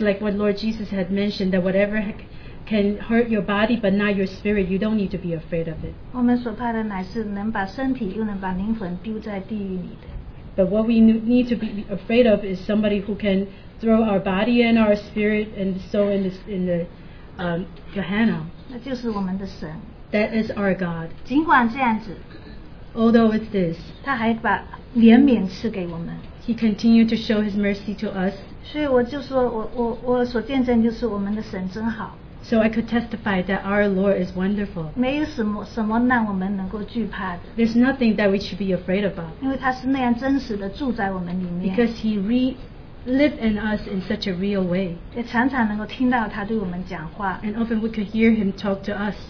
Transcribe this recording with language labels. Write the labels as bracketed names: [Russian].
[English] like what Lord Jesus had mentioned, that whatever can hurt your body but not your spirit, you don't need to be afraid of it. [Chinese] 我们所怕的乃是能把身体又能把灵魂丢在地狱里的。 [English] But what we need to be afraid of is somebody who can throw our body and our spirit and soul in the Gehenna. [Chinese] 那就是我们的神。 [English] That is our God. [Chinese] 尽管这样子, [English] although it's this, [Chinese] 他还把怜悯赐给我们。 [English] He continued to show His mercy to us. [Chinese] 所以我就说我所见证就是我们的神真好。 [English] So I could testify that our Lord is wonderful. [Chinese] 没有什么让我们能够惧怕的。 [English] There's nothing that we should be afraid about. [Chinese] 因为他是那样真实的住在我们里面。 [English] Because He live in us in such a real way. And often we could hear Him talk to us.